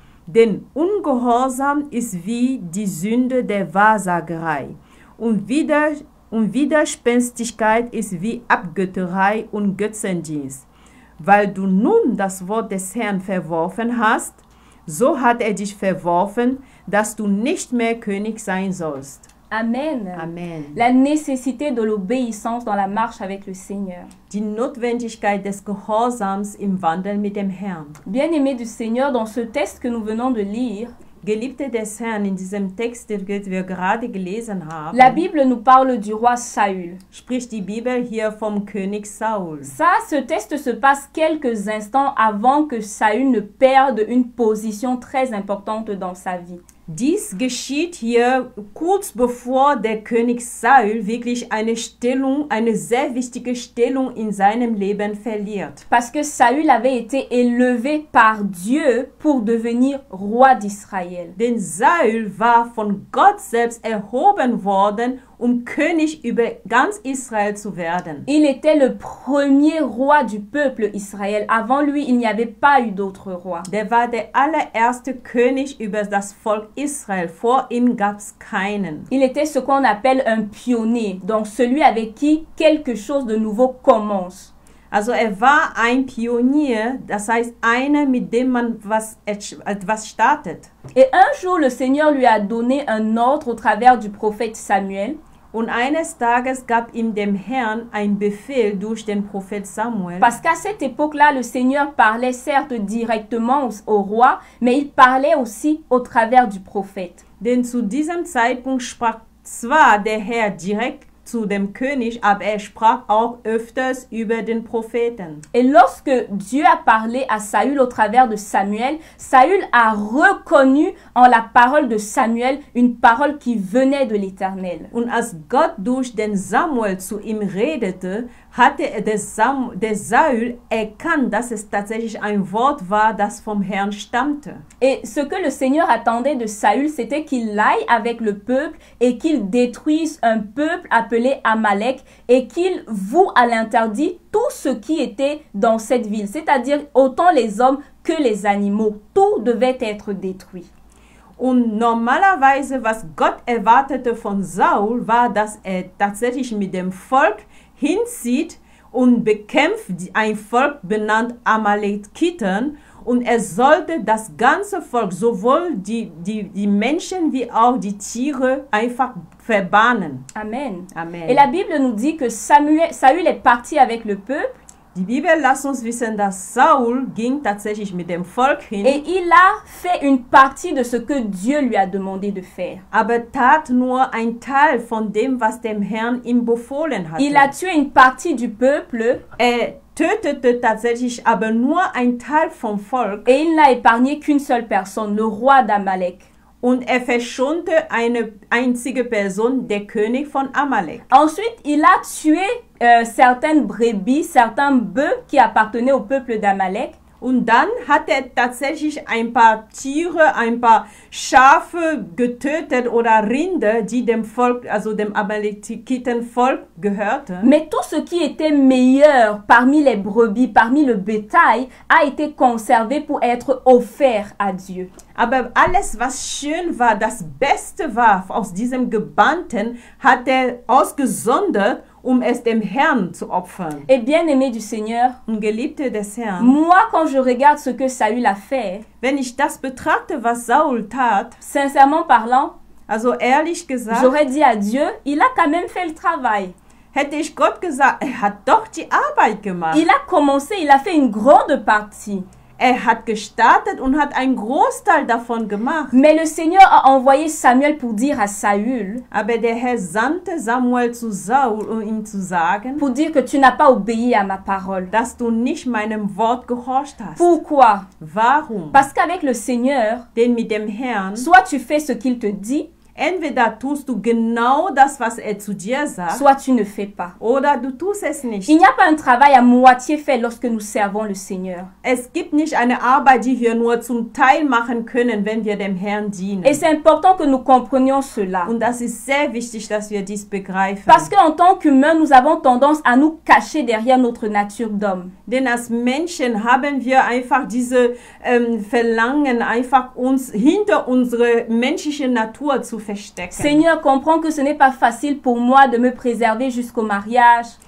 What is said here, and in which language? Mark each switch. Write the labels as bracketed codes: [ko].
[de] Denn Ungehorsam ist wie die Sünde der Wahrsagerei und Widerspenstigkeit ist wie Abgötterei und Götzendienst. Weil du nun das Wort des Herrn verworfen hast, so hat er dich verworfen, dass du nicht mehr König sein sollst. Amen. Amen. [fr] La nécessité de l'obéissance dans la marche avec le Seigneur. [de] Die Notwendigkeit des Gehorsams im Wandel mit dem Herrn. [fr] Bien-aimé du Seigneur, dans ce texte que nous venons de lire, [de] Geliebte des Herrn, in diesem Text, den wir gerade gelesen haben, [fr] la Bible nous parle du roi Saül. [de] Spricht die Bibel hier vom König Saul. [fr] Ça, ce texte se passe quelques instants avant que Saül ne perde une position très importante dans sa vie. [de] Dies geschieht hier kurz bevor der König Saul wirklich eine Stellung, eine sehr wichtige Stellung in seinem Leben verliert. [fr] Parce que Saul avait été élevé par Dieu pour devenir roi d'Israël. [de] Denn Saul war von Gott selbst erhoben worden, um König über ganz Israel zu werden. [fr] Il était le premier roi du peuple Israël. Avant lui, il n'y avait pas eu d'autre roi. [de] Der war der allererste König über das Volk Israel. Vor ihm gab's keinen. [fr] Il était ce qu'on appelle un pionnier, donc celui avec qui quelque chose de nouveau commence. [de] Also er war ein Pionier, das heißt einer, mit dem man etwas startet. [fr] Et un jour le Seigneur lui a donné un ordre au travers du prophète Samuel. [de] Und eines Tages gab ihm dem Herrn ein Befehl durch den Prophet Samuel. [fr] Parce qu'à cette époque-là, le Seigneur parlait certes directement au roi, mais il parlait aussi au travers du prophète. [de] Denn zu diesem Zeitpunkt sprach zwar der Herr direkt zu dem König, aber er sprach auch öfters über den Propheten. [fr] Et lorsque Dieu a parlé à Saül au travers de Samuel, Saül a reconnu en la parole de Samuel une parole qui venait de l'Éternel. [de] Und als Gott durch den Samuel zu ihm redete, hatte der Saül erkannt, dass es tatsächlich ein Wort war, das vom Herrn stammte. [fr] Et ce que le Seigneur attendait de Saül, c'était qu'il aille avec le peuple et qu'il détruise un peuple appelé Amalek et qu'il voue à l'interdit tout ce qui était dans cette ville, c'est-à-dire autant les hommes que les animaux. Tout devait être détruit. [de] Und normalerweise, was Gott erwartete von Saul, war, dass tatsächlich mit dem Volk hinzieht und bekämpft ein Volk benannt Amalekiten, und er sollte das ganze Volk, sowohl die Menschen wie auch die Tiere, einfach verbannen. Amen. Amen. [fr] Et la Bible nous dit que Saül est parti avec le peuple. [de] Die Bibel lässt uns wissen, dass Saul ging tatsächlich mit dem Volk hin. [fr] Et il a fait une partie de ce que Dieu lui a demandé de faire. [de] Aber tat nur ein Teil von dem, was dem Herrn ihm befohlen hatte. [fr] Il a tué une partie du peuple. [de] Er tötete tatsächlich aber nur ein Teil vom Volk. [fr] Et il n'a épargné qu'une seule personne, le roi d'Amalek. [de] Und er verschonte eine einzige Person, der König von Amalek. [fr] Ensuite, il a tué certaines brebis, certains bœufs qui appartenaient au peuple d'Amalek. [de] Und dann hat er tatsächlich ein paar Tiere, ein paar Schafe getötet oder Rinder, die dem Volk, also dem Amalekiten Volk gehörte. [fr] Mais tout ce qui était meilleur parmi les brebis, parmi le bétail, a été conservé pour être offert à Dieu. [de] Aber alles, was schön war, das Beste war aus diesem Gebannten, hat er ausgesondert, um es dem Herrn zu opfern. [fr] Et bien aimé du Seigneur, [de] und geliebte des Herrn, [fr] moi, quand je regarde ce que Saül a fait, [de] wenn ich das betrachte, was Saul tat, [fr] sincèrement parlant, [de] also ehrlich gesagt, [fr] j'aurais dit à Dieu, il a quand même fait le travail. [de] Hätte ich Gott gesagt, er hat doch die Arbeit gemacht. [fr] Il a commencé, il a fait une grande partie. [de] Er hat gestartet und hat einen Großteil davon gemacht. [fr] Mais le Seigneur a envoyé Samuel pour dire à Saül, [de] aber der Herr sandte Samuel zu Saul, um ihm zu sagen, [fr] pour dire que tu n'as pas obéi à ma parole, [de] dass du nicht meinem Wort gehorcht hast. [fr] Pourquoi? [de] Warum? [fr] Parce qu'avec le Seigneur, [de] denn mit dem Herrn, [fr] soit tu fais ce qu'il te dit, [de] entweder tust du genau das, was er zu dir sagt, [fr] soit tu ne fais pas. [de] Oder du tust es nicht. [fr] Il n'y a pas un travail à moitié fait lorsque nous servons le Seigneur. [de] Es gibt nicht eine Arbeit, die wir nur zum Teil machen können, wenn wir dem Herrn dienen. [fr] Et c'est important que nous comprenions cela. [de] Und das ist sehr wichtig, dass wir dies begreifen. [fr] Parce qu'en tant qu'humain, nous avons tendance à nous cacher derrière notre nature d'homme. [de] Denn als Menschen haben wir einfach diese Verlangen, einfach uns hinter unsere menschliche Natur zu verstecken. [fr] Seigneur, comprends que ce n'est pas facile pour moi de me préserver jusqu'au mariage.